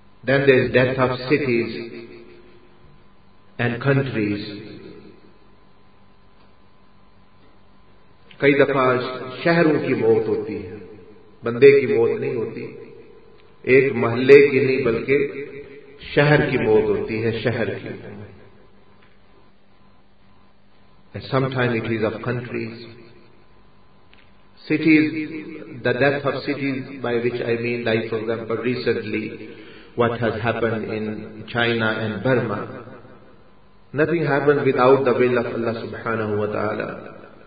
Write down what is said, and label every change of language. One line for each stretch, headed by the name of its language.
English: Then there is death of cities and countries.
Hindi: कई दफा शहरों की मौत होती है, बंदे की मौत नहीं होती, एक मोहल्ले की नहीं बल्कि शहर की मौत होती है, शहर की.
English: And sometimes it is of countries, cities, the death of cities, by which I mean, like for example, recently what has happened in China and Burma. Nothing happens without the will of Allah subhanahu wa ta'ala.